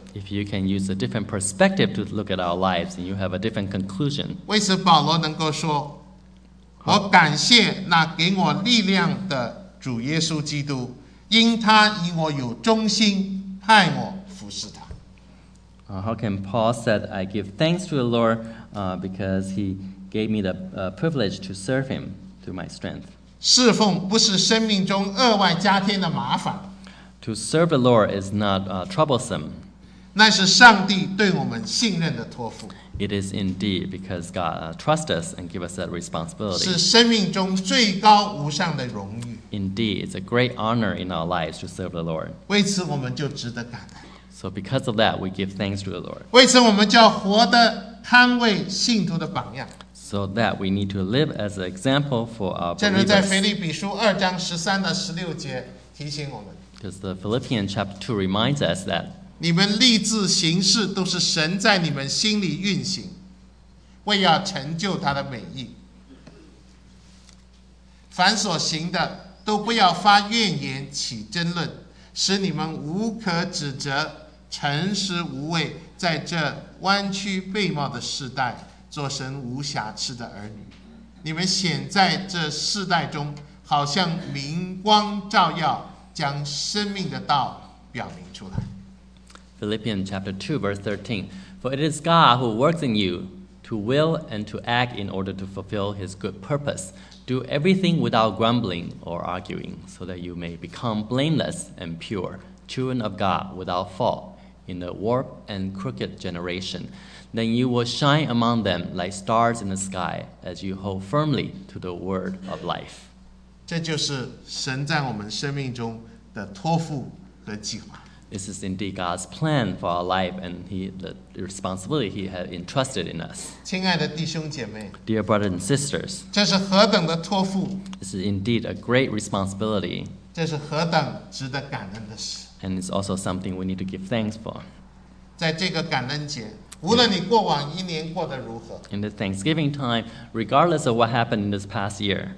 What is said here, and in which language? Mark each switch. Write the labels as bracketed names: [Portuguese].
[English] If you can use a different perspective to look at our lives, and you have a different conclusion. [Chinese] 为此，保罗能够说。我感谢那给我力量的主耶稣基督，因他以我有忠心派我服侍他。 [English] How can Paul said I give thanks to the Lord, because he gave me the privilege to serve him through my strength. [Chinese] 侍奉不是生命中额外加添的麻烦。 [English] To serve the Lord is not troublesome. [Chinese] 那是上帝对我们信任的托付。 [English] It is indeed because God trusts us and gives us that responsibility. [Chinese] 是生命中最高无上的荣誉。 [English] Indeed, it's a great honor in our lives to serve the Lord. [Chinese] 为此我们就值得感恩。 [English] So because of that, we give thanks to the Lord. [Chinese] 为此我们就要活得堪为信徒的榜样。 [English] So that we need to live as an example for our believers. [Chinese] 正如在腓立比书二章十三到十六节提醒我们。 [English] Because the Philippians chapter 2 reminds us that [Chinese] 你们立志行事都是神在你们心里运行，为要成就他的美意。凡所行的都不要发怨言起争论，使你们无可指责，诚实无畏，在这弯曲背貌的世代做神无瑕疵的儿女。你们显在这世代中好像明光照耀，将生命的道表明出来。 [English] Philippians chapter 2, verse 13. For it is God who works in you to will and to act in order to fulfill his good purpose. Do everything without grumbling or arguing, so that you may become blameless and pure, children of God without fault, in the warped and crooked generation. Then you will shine among them like stars in the sky as you hold firmly to the word of life. [Chinese] 这就是神在我们生命中的托付和计划。 [English] This is indeed God's plan for our life and the responsibility he has entrusted in us. [Chinese] 亲爱的弟兄姐妹, [English] Dear brothers and sisters, [Chinese] 这是何等的托付, [English] this is indeed a great responsibility. [Chinese] 这是何等值得感恩的事, [English] and it's also something we need to give thanks for. [Chinese] 在这个感恩节, 无论你过往一年过得如何, [English] in the Thanksgiving time, regardless of what happened in this past year,